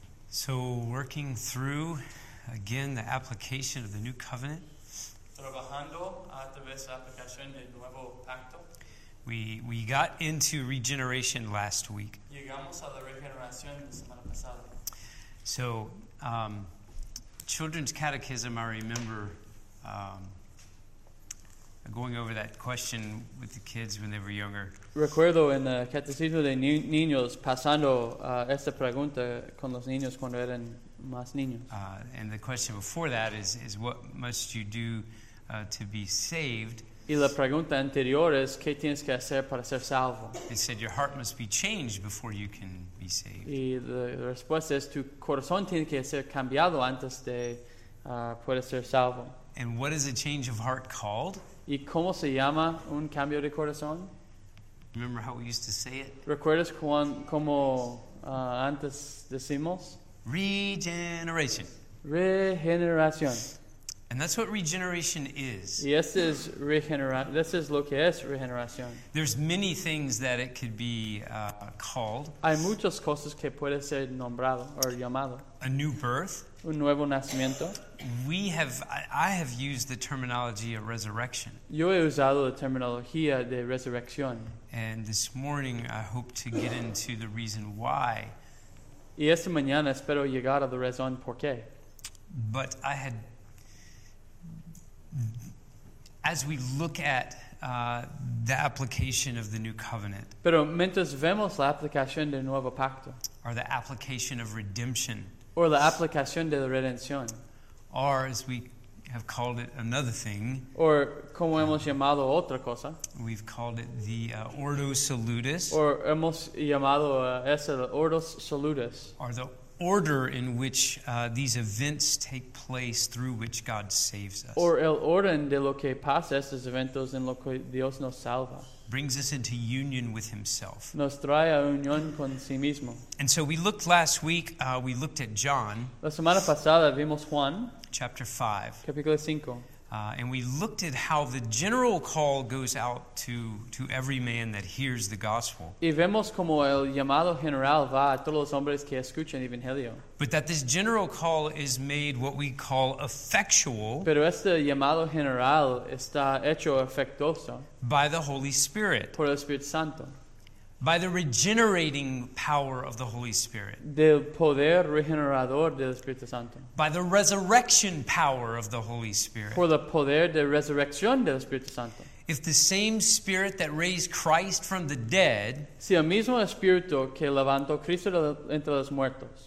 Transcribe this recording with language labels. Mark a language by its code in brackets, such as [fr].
[en] So working through again the application of the new covenant. [es] Trabajando a través de la aplicación del nuevo pacto. [en] We got into regeneration last week. [es] Llegamos a la regeneración la semana pasada. [en] So children's catechism, I remember going over that question with the kids when they were younger. [es] Recuerdo en el catecismo de niños pasando esta pregunta con los niños cuando eran más niños. [en] And the question before that is what must you do to be saved? [es] Y la pregunta anterior es qué tienes que hacer para ser salvo. [en] They said your heart must be changed before you can be saved. [es] Y la respuesta es tu corazón tiene que ser cambiado antes de poder ser salvo. [en] And what is a change of heart called? [es] ¿Y cómo se llama un cambio de corazón? [en] Remember how we used to say it? [es] ¿Recuerdas cómo antes decimos? [en] Regeneration. [es] Regeneración. [en] And that's what regeneration is. [es] Y este es [en] this is [es] lo que es regeneración. [en] There's many things that it could be called. [es] Hay muchas cosas que puede ser nombrado o llamado. [en] A new birth. [es] Un nuevo nacimiento. [en] I have used the terminology of resurrection. [es] Yo he usado la terminología de resurrección. [en] And this morning I hope to get into the reason why. [es] Y esta mañana espero llegar a la razón por qué. [en] But I had, as we look at the application of the new covenant. [es] Pero mientras vemos la aplicación del nuevo pacto. [en] Or the application of redemption. [es] Or la aplicación de la redención. [en] Or, as we have called it, another thing. [es] Or como hemos llamado otra cosa. [en] We've called it the Ordo Salutis. [es] Or hemos llamado esa la Ordo Salutis. [en] Or the order in which these events take place through which God saves us. [es] Or el orden de lo que pasa estos eventos en lo que Dios nos salva. [en] Brings us into union with himself. [es] Nos trae a unión con sí mismo. [en] And so we looked last week, we looked at John. [es] La semana pasada vimos Juan. [en] Chapter 5. [es] Capítulo 5. [en] And we looked at how the general call goes out to every man that hears the gospel. [es] Y vemos como el llamado general va a todos los hombres que escuchan el evangelio. [en] But that this general call is made what we call effectual. [es] Pero este llamado general está hecho efectuoso. [en] By the Holy Spirit. [es] Por el Espíritu Santo. [en] By the regenerating power of the Holy Spirit. [es] Del poder regenerador del Espíritu Santo. [en] By the resurrection power of the Holy Spirit. [es] Por el poder de resurrección del Espíritu Santo. [en] If the same Spirit that raised Christ from the dead. [es] Si el mismo Espíritu que levantó Cristo de entre los muertos.